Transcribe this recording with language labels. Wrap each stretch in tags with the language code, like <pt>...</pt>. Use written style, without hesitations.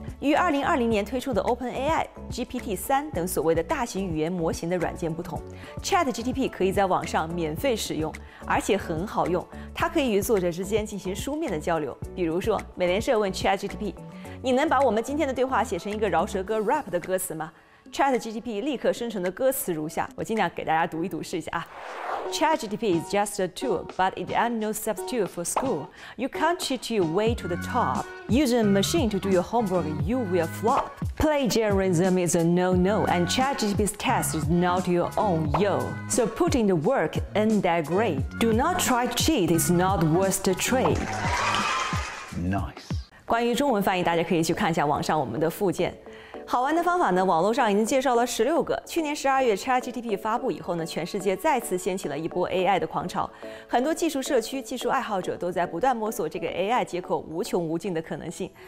<zh>与2020年推出的 OpenAI、GPT-3 等所谓的大型语言模型的软件不同， ChatGPT 可以在网上免费使用，而且很好用。它可以与作者之间进行书面的交流，比如说美联社问 ChatGPT， 你能把我们今天的对话写成一个饶舌歌 rap 的歌词吗？ ChatGPT 立刻生成的歌词如下，我尽量给大家读一读试一下啊。</zh> <en>ChatGPT is just a tool, but it ain't no substitute for school. You can't cheat your way to the top. Using a machine to do your homework, you will flop. Plagiarism is a no-no, and ChatGPT's test is not your own, yo. So put in the work, earn that grade. Do not try to cheat, it's not worth the trade. Nice.</en> <zh>关于中文翻译，大家可以去看一下网上我们的附件。好玩的方法呢，网络上已经介绍了16个。去年12月 ChatGPT 发布以后呢，全世界再次掀起了一波 AI 的狂潮，很多技术社区、技术爱好者都在不断摸索这个 AI 接口无穷无尽的可能性。</zh>